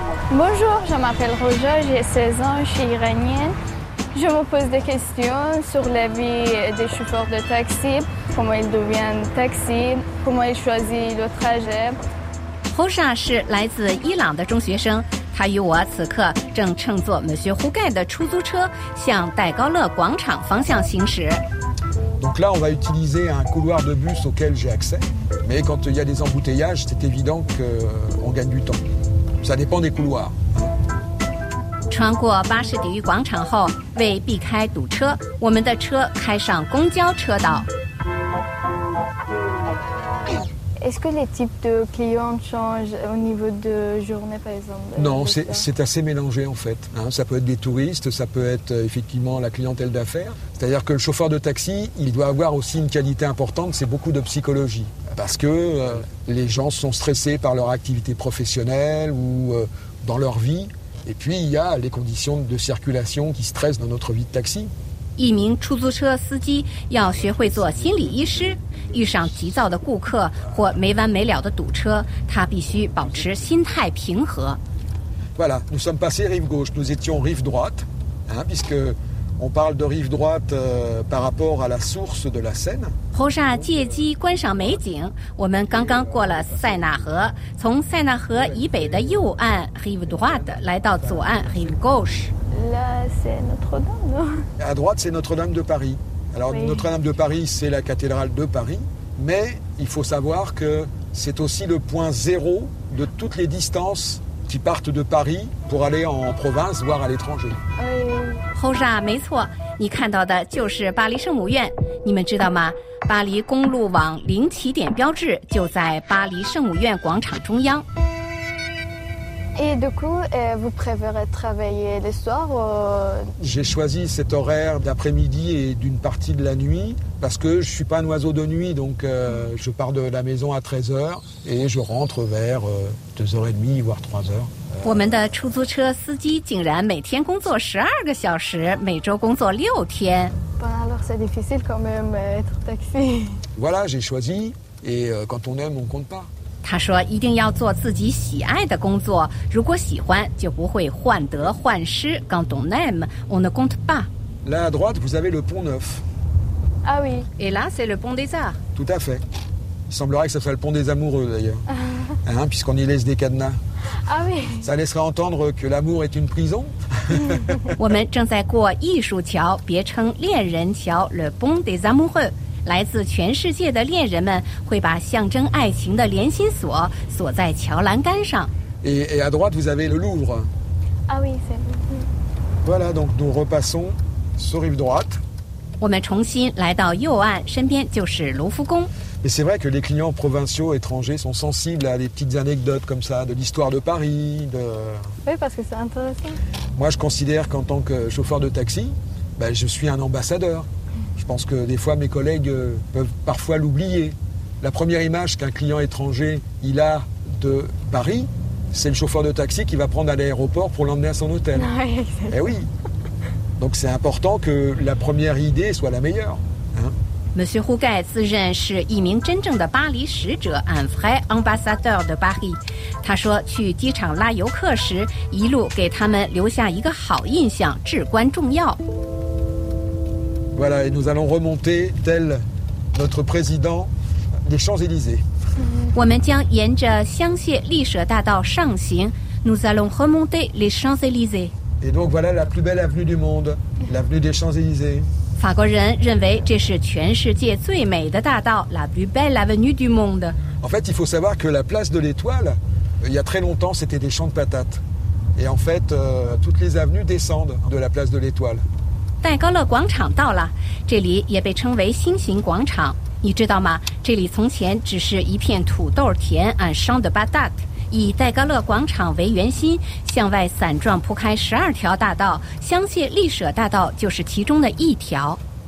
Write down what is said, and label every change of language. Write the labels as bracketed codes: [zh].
[fr] Bonjour, je m'appelle Roja, j'ai 16 ans, je suis iranienne. Je me pose des questions sur la vie des chauffeurs de taxi, comment ils deviennent taxi, comment ils choisissent le trajet. [zh] Roja 是来自伊朗的中学生，他与我此刻正乘坐 Monsieur Hougay 的出租车向戴高乐广场方向行驶。 [fr] Donc là, on va utiliser un couloir de bus auquel j'ai accès. Mais quand il y a des embouteillages, c'est évident qu'on gagne du temps. Ça dépend des couloirs. 穿过巴士底狱广场后，为避开堵车，我们的车开上公交车道。 Est-ce que les types de clients changent au niveau de journée, par exemple? Non, c'est assez mélangé en fait. Hein, ça peut être des touristes, ça peut être effectivement la clientèle d'affaires. C'est-à-dire que le chauffeur de taxi, il doit avoir aussi une qualité importante, c'est beaucoup de psychologie. Parce que les gens sont stressés par leur activité professionnelle ou dans leur vie. Et puis, il y a les conditions de circulation qui stressent dans notre vie de taxi. [zh] 一名出租车司机要学会做心理医师。遇上急躁的顾客或没完没了的堵车，他必须保持心态平和。 [fr] Voilà, nous sommes passés rive gauche, nous étions rive droite, hein, puisqueOn parle de rive droite par rapport à la source de la Seine. [zh] Roja 借机观赏美景。我们刚刚过了塞纳河，从塞纳河以北的右岸 [fr] rive droite [zh] 来到左岸 [fr] rive gauche. Là, c'est Notre-Dame. À droite, c'est Notre-Dame de Paris. Alors, oui. Notre-Dame de Paris, c'est la cathédrale de Paris. Mais il faut savoir que c'est aussi le point zéro de toutes les distances. Qui partent de Paris pour aller en province, voire à l'étranger. [zh] Roja, 没错，你看到的就是巴黎圣母院。你们知道吗？巴黎公路网零起点标志就在巴黎圣母院广场中央。 [fr] Et du coup, vous préférez travailler le soir ou... J'ai choisi cet horaire d'après-midi et d'une partie de la nuit parce que je ne suis pas un oiseau de nuit, donc je pars de la maison à 13h et je rentre vers 2h30, voire 3h. [zh] 我们的出租车司机竟然每天工作12个小时，每周工作6天。 [fr] Bon, alors c'est difficile quand même être taxi. Voilà, j'ai choisi et quand on aime, on ne compte pas. [zh] 他说一定要做自己喜爱的工作，如果喜欢就不会患得患失。 [fr] Quand on aime, on ne compte pas. Là à droite, vous avez le pont neuf. Ah oui. Et là, c'est le pont des arts. Tout à fait. Il semblerait que ce soit le pont des amoureux d'ailleurs. Hein, puisqu'on y laisse des cadenas. Ah oui. Ça laisserait entendre que l'amour est une prison. [zh] 我们正在过艺术桥，别称恋人桥， [fr] le pont des amoureux. [zh] 来自全世界的恋人们会把象征爱情的连心锁锁在桥栏杆上。 [fr] Et à droite, vous avez le Louvre. Ah oui, c'est le Louvre. Voilà, donc nous repassons sur rive droite. [zh] 我们重新来到右岸，身边就是卢浮宫。 [fr] Mais c'est vrai que les clients provinciaux, étrangers, sont sensibles à des petites anecdotes comme ça, de l'histoire de Paris. Oui, parce que c'est intéressant. Moi, je considère qu'en tant que chauffeur de taxi, ben, je suis un ambassadeur. Je pense que des fois, mes collègues peuvent parfois l'oublier. La première image qu'un client étranger il a de Paris, c'est le chauffeur de taxi qui va prendre à l'aéroport pour l'emmener à son hôtel. Oui, eh oui. Donc c'est important que la première idée soit la meilleure. [zh] Monsieur Hougai 自认是一名真正的巴黎使者 [fr] un vrai ambassadeur de Paris. [zh] 他说去机场拉游客时一路给他们留下一个好印象至关重要。 [fr] Voilà, et nous allons remonter tel notre président des Champs-Élysées. [zh] 我们将沿着香榭丽舍大道上行 [fr] Nous allons remonter les Champs-Élysées. Et donc voilà la plus belle avenue du monde, l'avenue des Champs-Élysées. [zh] 法国人认为这是全世界最美的大道 [fr] la plus belle avenue du monde. En fait, il faut savoir que la place de l'étoile, il y a très longtemps, c'était des champs de patates. Et en fait, toutes les avenues descendent de la place de l'étoile. [zh] 戴高乐广场到了，这里也被称为星形广场。你知道吗？这里从前只是一片土豆田 [fr] un champ de patates. [zh] 以戴高乐广场为圆心向外散状铺开十二条大道香榭丽舍大道就是其中的一条